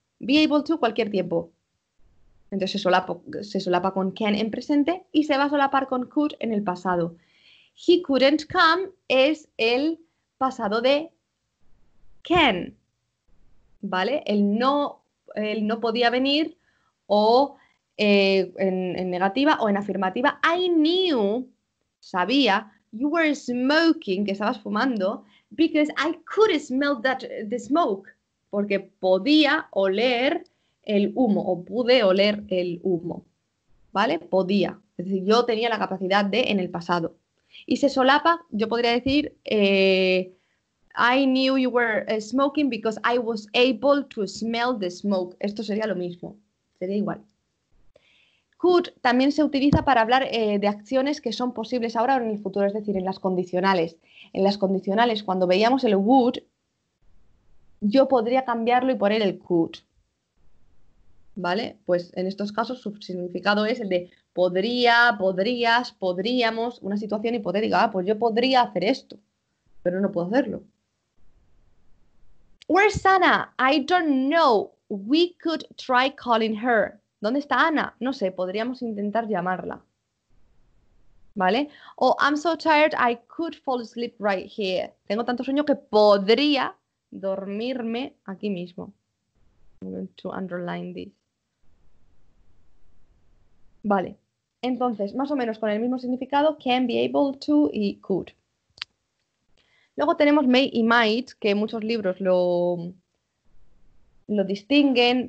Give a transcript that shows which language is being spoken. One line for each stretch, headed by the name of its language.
Spanish: Be able to, cualquier tiempo. Entonces se solapa con can en presente y se va a solapar con could en el pasado.
English: He couldn't come
Spanish: es el pasado de can. ¿Vale? Él no podía venir o en negativa o en afirmativa.
English: I knew,
Spanish: sabía,
English: you were smoking,
Spanish: que estabas fumando,
English: because I could smell the smoke.
Spanish: Porque podía oler el humo o pude oler el humo, ¿vale? Podía, es decir, yo tenía la capacidad de en el pasado. Y se solapa, yo podría decir,
English: I knew you were smoking because I was able to smell the smoke.
Spanish: Esto sería lo mismo, sería igual. Could también se utiliza para hablar de acciones que son posibles ahora o en el futuro, es decir, en las condicionales. En las condicionales, cuando veíamos el would, yo podría cambiarlo y poner el could. ¿Vale? Pues en estos casos su significado es el de podría, podrías, podríamos, una situación hipotética. Ah, pues yo podría hacer esto, pero no puedo hacerlo.
English: Where's Anna? I don't know. We could try calling her.
Spanish: ¿Dónde está Ana? No sé, podríamos intentar llamarla. ¿Vale?
English: O I'm so tired, I could fall asleep right here.
Spanish: Tengo tanto sueño que podría dormirme aquí mismo.
English: I'm going to underline this.
Spanish: Vale. Entonces, más o menos con el mismo significado, can, be able to y could. Luego tenemos may y might, que muchos libros lo distinguen.